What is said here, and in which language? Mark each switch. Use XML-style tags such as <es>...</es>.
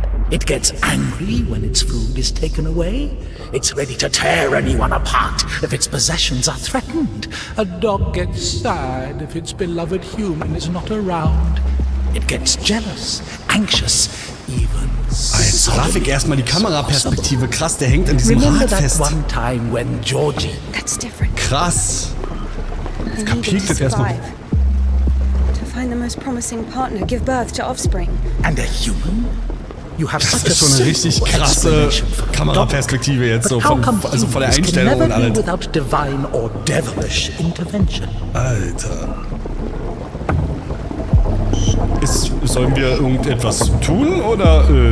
<en>It gets angry when its food is taken away. It's ready to tear anyone apart if its possessions are threatened. A dog gets sad if its beloved human is not around. It gets jealous, anxious, even</en> <de>jetzt traf ich erstmal die Kameraperspektive. Krass, der hängt an diesem Rad fest.</de> <en>Remember that one time when Georgie... That's different.</en> <de>Krass. Jetzt kapiert das erstmal.</de> <en>To find the most promising partner, give birth to offspring. And a human? You have</en> <de>das such ist schon eine richtig krasse Kameraperspektive jetzt, so von, also von der Einstellung und alles.</de> <en>Without divine or devilish intervention.</en> <de>Alter. Sollen wir irgendetwas tun, oder?</de>